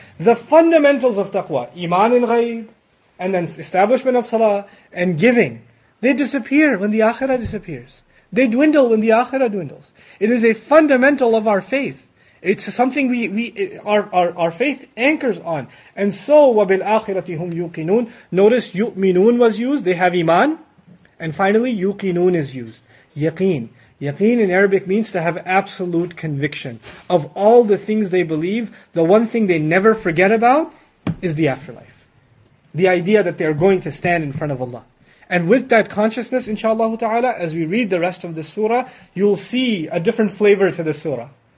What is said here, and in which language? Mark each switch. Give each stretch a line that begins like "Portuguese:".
English: The fundamentals of taqwa, iman in ghayb, and then establishment of salah, and giving, they disappear when the akhirah disappears. They dwindle when the akhirah dwindles. It is a fundamental of our faith. It's something our faith anchors on. And so,
Arabic: وَبِالْ أَخِرَةِ هُمْ يُوقِنُونَ.
English: Notice, yu'minun was used, they have iman. And finally, yuqinun is used. Yaqeen. Yaqeen in Arabic means to have absolute conviction. Of all the things they believe, the one thing they never forget about is the afterlife. The idea that they are going to stand in front of Allah. And with that consciousness, inshaAllah ta'ala, as we read the rest of the surah, you'll see a different flavor to the surah.